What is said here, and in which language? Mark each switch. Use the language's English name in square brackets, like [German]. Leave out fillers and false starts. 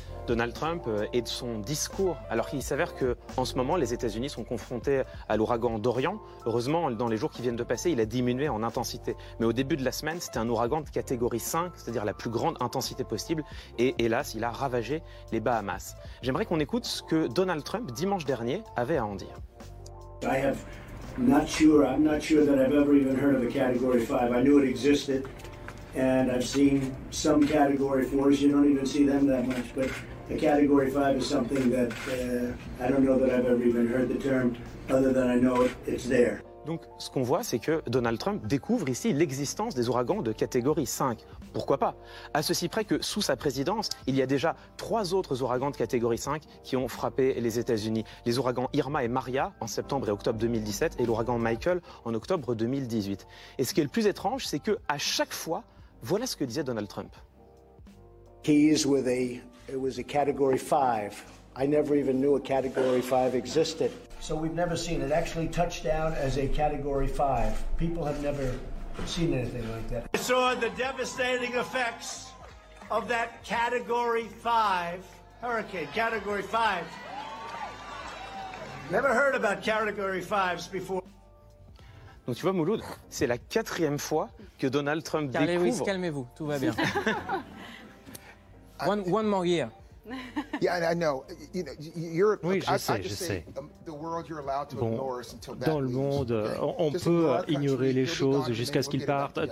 [French] Donald Trump et de son discours. Alors qu'il s'avère que, en ce moment, les États-Unis sont confrontés à l'ouragan Dorian. Heureusement, dans les jours qui viennent de passer, il a diminué en intensité. Mais au début de la semaine, c'était un ouragan de catégorie 5, c'est-à-dire la plus grande intensité possible. Et hélas, il a ravagé les Bahamas. J'aimerais qu'on écoute ce que Donald Trump, dimanche dernier, avait à en dire. [English] I'm not sure that I've ever even heard of a category 5. I knew it existed. And I've seen some category 4s, you don't even see them that much, but a category 5 is something that I don't know that I've ever even heard the term, other than I know it's there. [French] Donc, ce qu'on voit, c'est que Donald Trump découvre ici l'existence des ouragans de catégorie 5. Pourquoi pas ? À ceci près que, sous sa présidence, il y a déjà 3 autres ouragans de catégorie 5 qui ont frappé les États-Unis. Les ouragans Irma et Maria en septembre et octobre 2017 et l'ouragan Michael en octobre 2018. Et ce qui est le plus étrange, c'est que à chaque fois, voilà ce que disait Donald Trump. [English] He's with it was a category 5. I never even knew a category 5 existed. So we've never seen it actually touch down as a category 5. People have never seen anything like that. I saw the devastating effects of that category 5 hurricane, category 5. Never heard about category 5s before. [French] Donc tu vois Mouloud, c'est la quatrième fois que Donald Trump Carly découvre. Carly Ruiz, calmez-vous, tout va bien. [English] one more year. Yeah, I know. You know, Europe. [French] Oui, je sais, je sais. Bon, dans le monde, on peut ignorer les choses jusqu'à ce qu'ils partent.